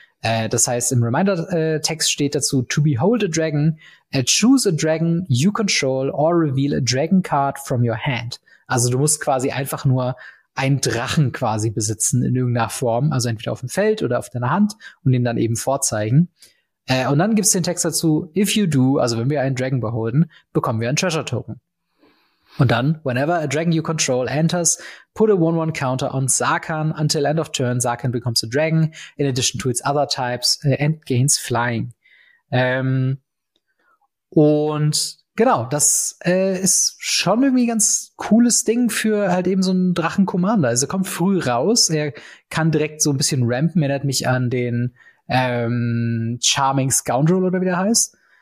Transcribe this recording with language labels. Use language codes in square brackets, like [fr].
[de] Das heißt, im Reminder-Text steht dazu, [en] to behold a dragon, choose a dragon you control or reveal a dragon card from your hand. [de] Also du musst quasi einfach nur einen Drachen quasi besitzen in irgendeiner Form, also entweder auf dem Feld oder auf deiner Hand und ihn dann eben vorzeigen. Und dann gibt's den Text dazu, [en] if you do, [de] also wenn wir einen Dragon beholden, bekommen wir einen Treasure Token. Und dann, [en] whenever a dragon you control enters, put a 1/1 counter on Sarken until end of turn, Sarken becomes a dragon in addition to its other types and gains flying. [de] Und genau, das ist schon irgendwie ein ganz cooles Ding für halt eben so einen Drachen-Commander. Also er kommt früh raus, er kann direkt so ein bisschen rampen, erinnert mich an den Charming Scoundrel oder wie der heißt.